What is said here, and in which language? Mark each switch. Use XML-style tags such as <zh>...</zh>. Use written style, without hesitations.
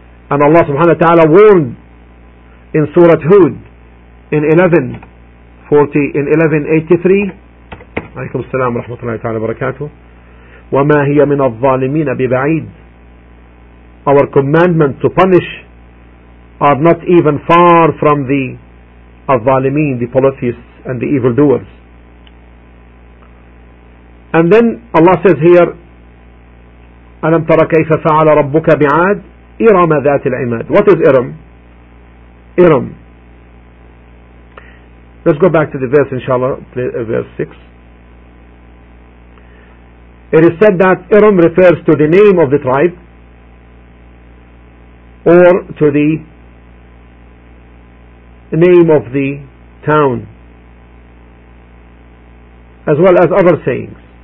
<en>And Allah subhanahu wa ta'ala warned in Surah Hud in 1183,</en> <ar>alaykum as-salam wa rahmatullahi ta'ala wa barakatuh, وَمَا هِيَ مِنَ الظَّالِمِينَ بِبَعِيدٍ.</ar> <en>Our commandment to punish are not even far from the al-zalimeen, the polytheists and the evildoers. And then Allah says here,</en> <ar>ألم تر كيف فعل ربك بعاد إرم ذات العماد.</ar> <en>What is إرم؟ إرم. Let's go back to the verse inshallah, verse 6. It is said that Irm refers to the name of the tribe or to the name of the town, as well as other sayings.</en>